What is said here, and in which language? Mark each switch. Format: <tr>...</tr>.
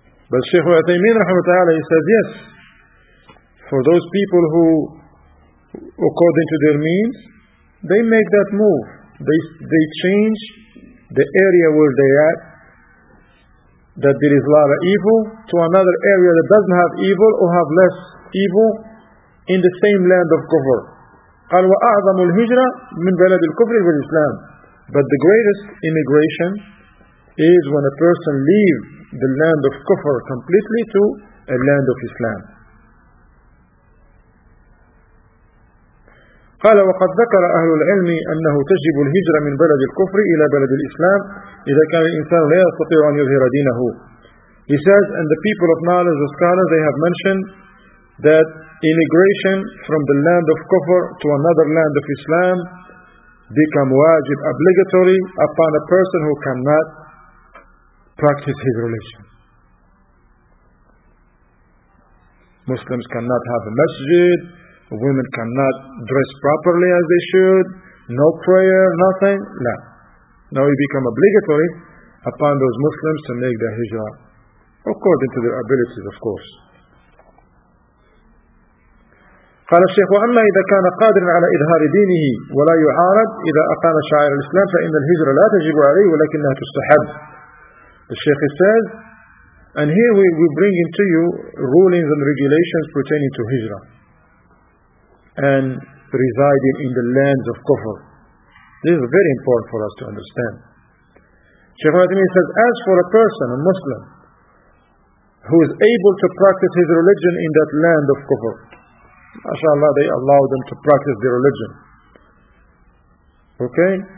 <en>But Shaykh Al-Taymin, rahmatullah, he says, yes, for those people who, according to their means, they make that move. They change the area where they are, that there is a lot of evil, to another area that doesn't have evil or have less evil in the same land of Kufr.</en> <ar>قال وأعظم الهجرة من بلد الكفر إلى الإسلام.</ar> <en>But the greatest immigration is when a person leaves the land of Kufr completely to a land of Islam.</en> <ar>قال وقد ذكر أهل العلم أنه تجب الهجرة من بلد الكفر إلى بلد الإسلام إذا كان الإنسان لا يستطيع أن يظهر دينه.</ar> <en>He says, and the people of knowledge, the scholars, they have mentioned that immigration from the land of Kufr to another land of Islam become wajib, obligatory upon a person who cannot practice his religion. Muslims cannot have a masjid. Women cannot dress properly as they should, no prayer, nothing, no. Now it becomes obligatory upon those Muslims to make the hijrah, according to their abilities, of course.</en> <ar>قال الشيخ وأما إذا كان قادرا على إظهار دينه ولا يعارض إذا أقام شعائر الإسلام فإن الهجرة لا تجب عليه ولكنها تستحب.</ar> <en>The Sheikh says, and here we bring into you rulings and regulations pertaining to hijrah and residing in the lands of Kufr. This is very important for us to understand. Sheikh Al-Athimi says, as for a person, a Muslim, who is able to practice his religion in that land of Kufr, mashallah, they allow them to practice their religion. Okay?</en>